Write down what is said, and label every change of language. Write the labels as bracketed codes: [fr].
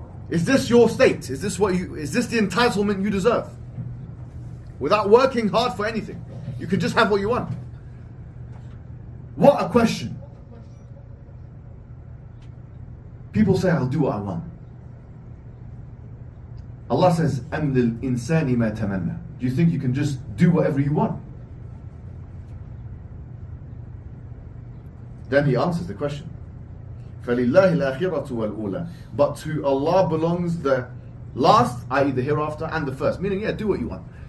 [en] Is this your state? Is this the entitlement you deserve? Without working hard for anything, you can just have what you want. What a question. People say, I'll do what I want. Allah says, [ar] أَمْ لِلْإِنسَانِ مَا تَمَنَّى. [en] Do you think you can just do whatever you want? Then he answers the question. [ar] فَلِلَّهِ الْآخِرَةُ وَالْأُولَى. [en] But to Allah belongs the last, i.e. the hereafter, and the first. Meaning, yeah, do what you want.